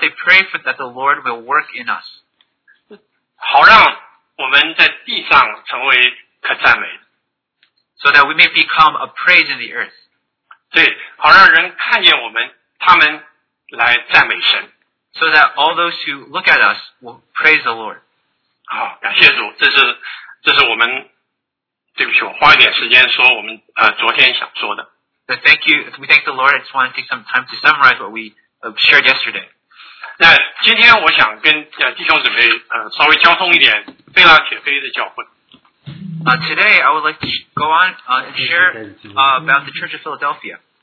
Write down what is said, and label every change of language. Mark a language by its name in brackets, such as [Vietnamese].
[English] They pray for that the Lord will work in us. [Chinese] 好让我们在地上成为可赞美的。So [English] that we may become a praise in the earth. [Chinese] 对，好让人看见我们，他们来赞美神。So [English] that all those who look at us will praise the Lord. [Chinese] 好，感谢主，这是我们，对不起，我花一点时间说我们昨天想说的。 [English] Thank you. We thank the Lord. I just want to take some time to summarize what we shared yesterday. [Chinese] 那今天我想跟弟兄姊妹稍微交通一点非拉铁非的教会。 [English] Today I would like to go on and share about the Church of Philadelphia.